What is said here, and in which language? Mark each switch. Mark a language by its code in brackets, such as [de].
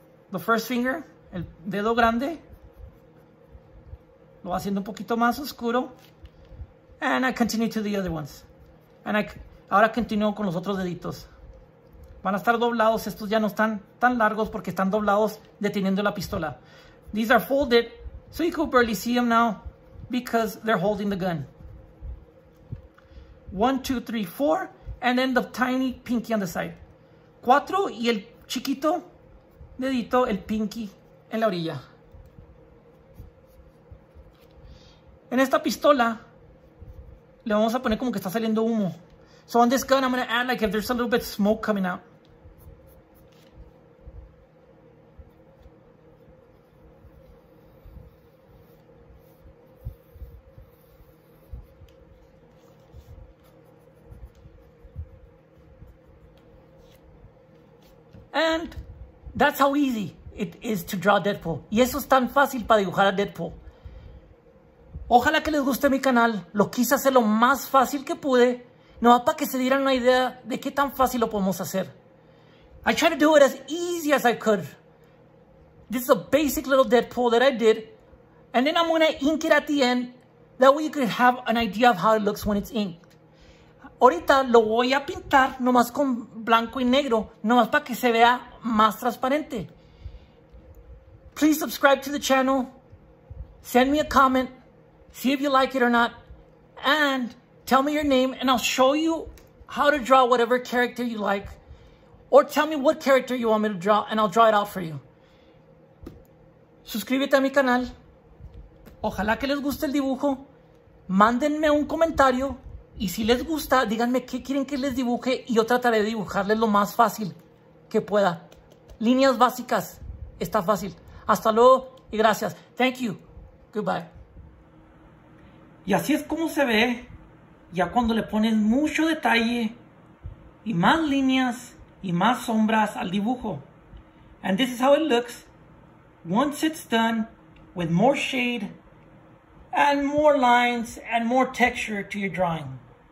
[en] The first finger, [es] el dedo grande. Lo va haciendo un poquito más oscuro. [en] And I continue to the other ones. [es] And ahora continúo con los otros deditos. Van a estar doblados. Estos ya no están tan largos porque están doblados deteniendo la pistola. [en] These are folded. So you could barely see them now because they're holding the gun. One, two, three, four, and then the tiny pinky on the side. [es] Cuatro y el chiquito dedito, el pinky, en la orilla. En esta pistola, le vamos a poner como que está saliendo humo. [en] So on this gun, I'm going to add like if there's a little bit of smoke coming out. And that's how easy it is to draw Deadpool. [es] Y eso es tan fácil para dibujar a Deadpool. Ojalá que les guste mi canal. Lo quise hacer lo más fácil que pude. No, para que se dieran una idea de qué tan fácil lo podemos hacer. [en] I tried to do it as easy as I could. This is a basic little Deadpool that I did. And then I'm going to ink it at the end. That way you can have an idea of how it looks when it's inked. [es] Ahorita lo voy a pintar nomás con blanco y negro, nomás para que se vea más transparente. [en] Please subscribe to the channel. Send me a comment. See if you like it or not. And tell me your name and I'll show you how to draw whatever character you like. Or tell me what character you want me to draw and I'll draw it out for you. [es] Suscríbete a mi canal. Ojalá que les guste el dibujo. Mándenme un comentario. Y si les gusta, díganme qué quieren que les dibuje y yo trataré de dibujarles lo más fácil que pueda. Líneas básicas. Está fácil. Hasta luego y gracias. [en] Thank you. Goodbye. [es] Y así es como se ve ya cuando le pones mucho detalle y más líneas y más sombras al dibujo. [en] And this is how it looks once it's done with more shade and more lines and more texture to your drawing.